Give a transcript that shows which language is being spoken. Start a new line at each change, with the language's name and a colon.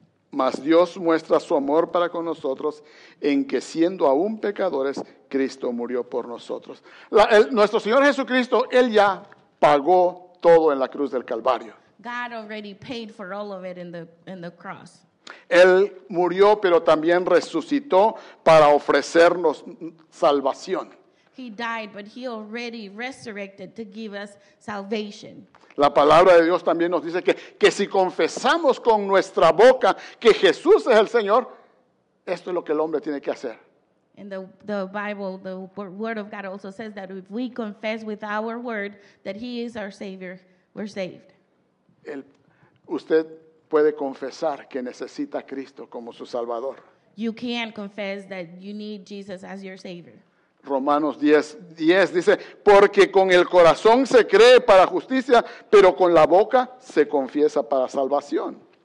Spanish: Mas Dios muestra su amor para con nosotros en que siendo aún pecadores, Cristo murió por nosotros. Nuestro Señor Jesucristo, Él ya pagó todo en la cruz del Calvario.
English: God already paid for all of it in the cross.
Spanish: Él murió, pero también resucitó para ofrecernos salvación.
English: He died, but He already resurrected to give us salvation.
Spanish: La palabra de Dios también nos dice que si confesamos con nuestra boca que Jesús es el Señor, esto es lo que el hombre tiene que hacer.
English: And the Bible, the Word of God also says that if we confess with our word that He is our Savior, we're saved.
Spanish: Usted puede confesar que necesita a Cristo como su Salvador.
English: You can confess that you need Jesus as your Savior.
Spanish: Romanos 10:10 dice, porque con el corazón se cree para justicia, pero con la boca se confiesa para salvación.